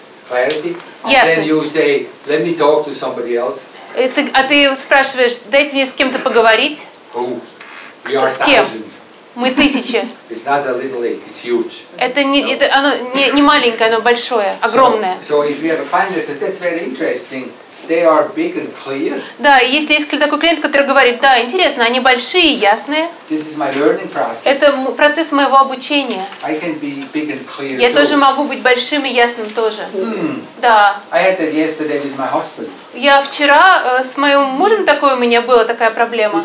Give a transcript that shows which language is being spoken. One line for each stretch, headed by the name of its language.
Russian: Ясность. А ты спрашиваешь, дайте мне с кем-то поговорить. С кем? Мы тысячи.
English: It's not a little lake, it's huge.
Russian: Это не, это, оно не маленькое, оно большое, огромное.
English: So if you have a client that says, that's very interesting, they are big and clear.
Russian: Да, если есть такой клиент, который говорит, да, интересно, они большие, ясные.
English: This is my learning process.
Russian: Это процесс моего обучения.
English: I can be big and clear.
Russian: Я тоже могу быть большим и ясным тоже. Да.
English: I had that yesterday with my husband.
Russian: Я вчера с моим мужем такое у меня была такая проблема.